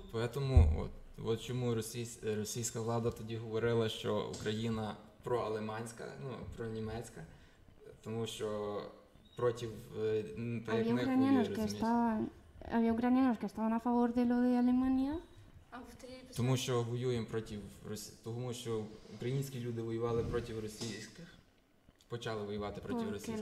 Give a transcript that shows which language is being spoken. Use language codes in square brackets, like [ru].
[uk] Поэтому вот чому російська влада тоді говорила, що Україна проалеманська, ну, пронімецька, тому що против [es] Había ucranianos que estaban a favor de lo de Alemania. [uk] Тому що воюємо проти Росії, тому що українські люди воювали проти російських. Почали воювати проти російських.